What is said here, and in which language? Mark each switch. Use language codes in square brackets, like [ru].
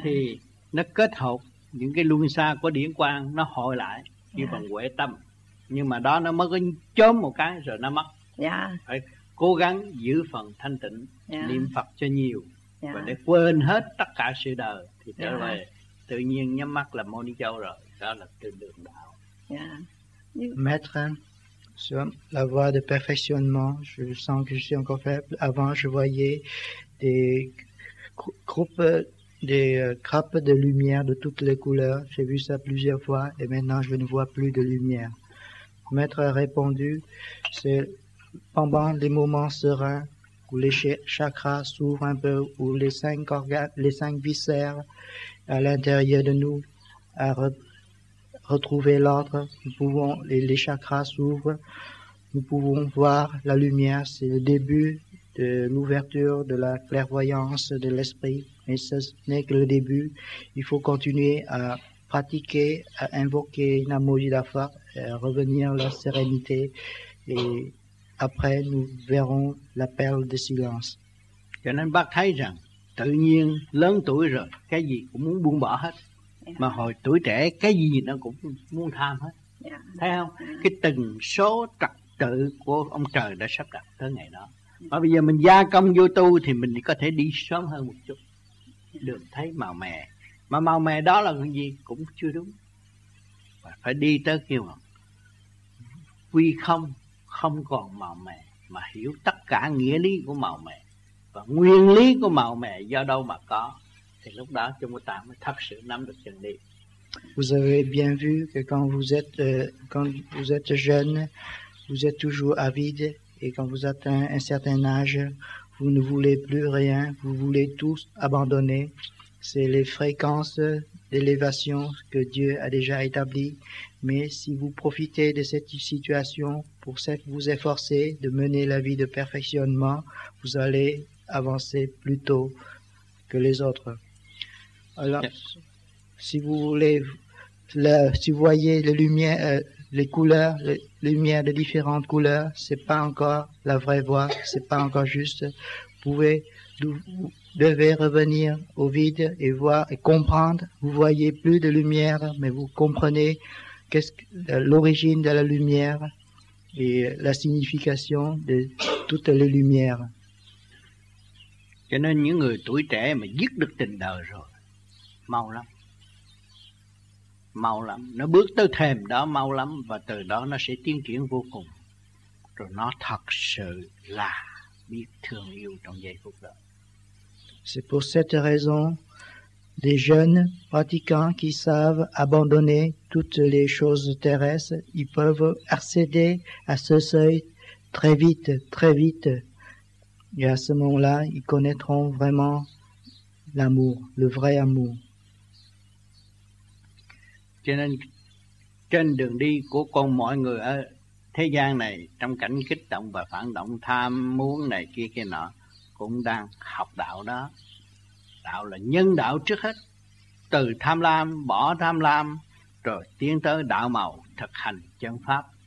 [vi] Thì nó kết hợp những cái luân xa của điển quang, nó hồi lại như yeah. bằng huệ tâm. Nhưng mà đó nó mới có chớm một cái rồi nó mất. Yeah. Phải cố gắng giữ phần thanh tịnh, yeah. niệm Phật cho nhiều. Yeah. Và để quên hết tất cả sự đời thì trở yeah. về tự nhiên nhắm mắt là Mô Ni Châu rồi. Đó là trên đường đạo. Yeah. [fr] Maître, sur la voie de perfectionnement, je sens que je suis encore faible. Avant, je voyais des groupes, des crapes de lumière de toutes les couleurs. J'ai vu ça plusieurs fois et maintenant je ne vois plus de lumière. Maître a répondu, c'est pendant les moments sereins où les chakras s'ouvrent un peu, où les cinq organes, les cinq viscères à l'intérieur de nous a retrouvé l'ordre, nous pouvons, les chakras s'ouvrent, nous pouvons voir la lumière, c'est le début de l'ouverture, de la clairvoyance de l'esprit, mais ce n'est que le début. Il faut continuer à pratiquer, à invoquer Namo Jidafa, à revenir la sérénité, et après nous verrons la perle de silence. [vi] Cho nên bác thấy rằng, tự nhiên lớn tuổi rồi, cái gì cũng muốn buông bỏ hết. Mà hồi tuổi trẻ, cái gì nó cũng muốn tham hết. Thấy không? Cái từng số trật tự của ông trời đã sắp đặt tới ngày đó. Mà bây giờ mình gia công vô tu thì mình có thể đi sớm hơn một chút, được thấy màu mè. Mà màu mè đó là cái gì cũng chưa đúng, mà phải đi tới kêu mà quy không, không còn màu mè, mà hiểu tất cả nghĩa lý của màu mè và nguyên lý của màu mè do đâu mà có, thì lúc đó chúng ta mới thật sự nắm được chân lý. [fr] Vous avez bien vu que quand vous êtes jeune, vous êtes toujours avide. Et quand vous atteignez un certain âge, vous ne voulez plus rien, vous voulez tout abandonner. C'est les fréquences d'élévation que Dieu a déjà établies. Mais si vous profitez de cette situation pour vous efforcer de mener la vie de perfectionnement, vous allez avancer plus tôt que les autres. Alors, si vous voulez, si vous voyez les lumières, les couleurs, les lumières de différentes couleurs, c'est pas encore la vraie voie, c'est pas encore juste. Vous pouvez, vous devez revenir au vide et voir et comprendre. Vous voyez plus de lumière, mais vous comprenez qu'est-ce que, l'origine de la lumière et la signification de toutes les lumières. [vi] Cho nên những người tuổi trẻ mà dứt được tình đời rồi, mau lắm. Mau lắm, nó bước tới thềm đó mau lắm và từ đó nó sẽ tiến triển vô cùng. Rồi nó thật sự là biết thương yêu trong giây phút đó. [fr] C'est pour cette raison des jeunes pratiquants qui savent abandonner toutes les choses terrestres, ils peuvent accéder à ce seuil très vite, très vite. Et à ce moment-là, ils connaîtront vraiment l'amour, le vrai amour. [vi] Cho nên trên đường đi của con mọi người ở thế gian này, trong cảnh kích động và phản động tham muốn này kia kia nọ, cũng đang học đạo đó. Đạo là nhân đạo trước hết. Từ tham lam, bỏ tham lam, rồi tiến tới đạo màu, thực hành chân pháp.